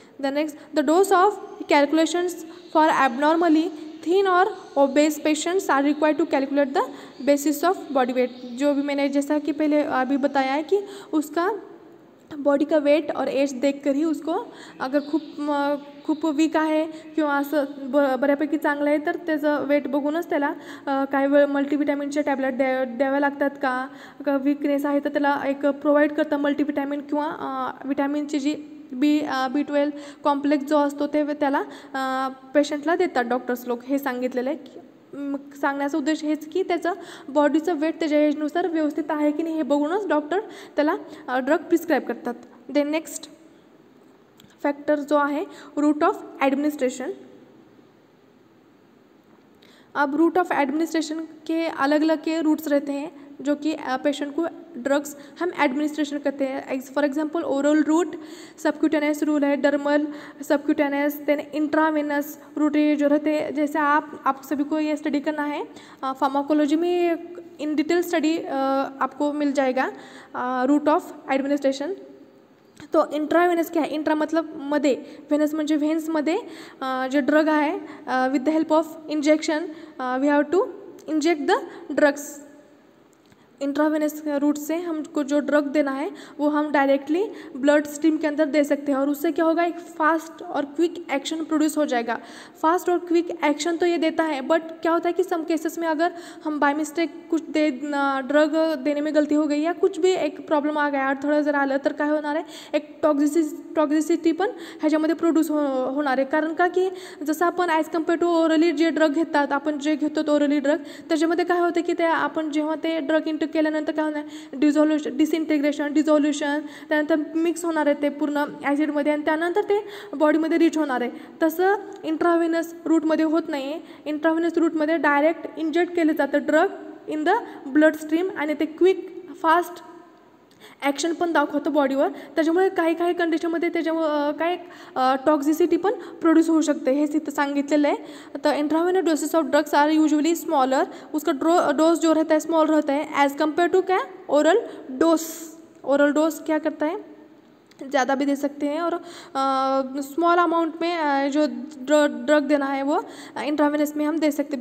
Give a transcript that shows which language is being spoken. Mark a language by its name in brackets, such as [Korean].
[English] The next, the dose of calculations for abnormally thin और obese patients are require to calculate the basis of body weight. [Hindi] जो भी मैंने जैसा कि पहले अभी बताया है कि उसका बॉडी का वेट और एज देखकर ही उसको [Marathi] अगर खूप वीक आहे किंवा असं बऱ्यापैकी चांगलं आहे तर त्याचं वेट बघूनच त्याला काही वेळ मल्टीविटॅमिनचे टॅबलेट द्यावे लागतात का वीकनेस आहे तर त्याला एक प्रोव्हाइड करतं मल्टीविटॅमिन किंवा विटॅमिनची जी B12 कॉम्प्लेक्स जो असतो ते त्याला पेशंटला देतात डॉक्टर्स लोक. हे सांगितलेलं आहे की सांगण्याचा उद्देश हेच की त्याचं बॉडीचं वेट त्याच्या एजनुसार व्यवस्थित आहे की नाही हे बघूनच डॉक्टर त्याला ड्रग प्रिस्क्राईब करतात. देन नेक्स्ट फॅक्टर जो आहे रूट ऑफ ॲडमिनिस्ट्रेशन. [Hindi] अब रूट ऑफ ॲडमिनिस्ट्रेशन के अलग अलग के रूट्स रहते हैं जो कि पेशंट को ड्रग्स हम ॲडमिनिस्ट्रेशन करते हैं. For example oral route, subcutaneous rule है, dermal subcutaneous, then intravenous route जो रहते हैं. जैसे आप सभी को ये स्टडी करना है फार्माकोलॉजी में इन डिटेल स्टडी आपको मिल जाएगा रूट ऑफ एडमिनिस्ट्रेशन. तो इंट्रावेनस क्या है, इंट्रा मतलब [Marathi] मध्ये, वेनस म्हणजे व्हेन्समध्ये जे ड्रग आहे [English] With the help of injection we have to inject the drugs. [Hindi] Intravenous route से हमको जो ड्रग देना है वो हम डायरेक्टली ब्लड स्ट्रीम के अंदर दे सकते हैं, और उससे क्या होगा, एक फास्ट और क्विक एक्शन प्रोड्यूस हो जाएगा। फास्ट और क्विक एक्शन तो ये देता है, बट क्या होता है कि सम केसेस में अगर हम बाय मिस्टेक कुछ दे ड्रग देने में गल्ती हो गई या कुछ भी एक प्रॉब्लम आ गया और थोड़ा जरा [Marathi] आलं तर काय होणार आहे, [Hindi] एक टॉक्सिसिटी पण ह्याच्यामध्ये प्रोड्यूस होणार आहे। [Marathi] कारण का की जसं आपण ॲज कम्पेअर टू ओरली जे ड्रग घेतात, आपण जे घेतो तो ओरली ड्रग, त्याच्यामध्ये काय होतं की ते आपण जेव्हा ते ड्रग इंटेक केल्यानंतर काय होणार आहे, डिसइंटिग्रेशन, डिझोल्यूशन, त्यानंतर मिक्स होणार आहे ते पूर्ण ॲसिडमध्ये आणि त्यानंतर ते बॉडीमध्ये रीच होणार आहे। तसं इंट्राव्हेनस रूटमध्ये होत नाही आहे, इंट्राव्हेनस रूटमध्ये डायरेक्ट इंजेक्ट केलं जातं drug [English] in the blood stream [Marathi] आणि ते क्विक फास्ट ॲक्शन पण दाखवतं बॉडीवर, त्याच्यामुळे काही काही कंडिशनमध्ये त्याच्यामुळे काय टॉक्सिसिटी पण प्रोड्यूस होऊ शकते हे तिथं सांगितलेलं आहे। [Hindi] तर [English] intravenous doses of drugs are usually smaller, [Hindi] उसका डोस जो रहता है स्मॉल रहता है ॲज कम्पेअर टू काय ओरल डोस क्या करता है, ज़्यादा भी दे सकते हैं, और स्मॉल अमाउंट में जो ड्रग देना है वो इंट्रावेनस में हम दे सकते हैं।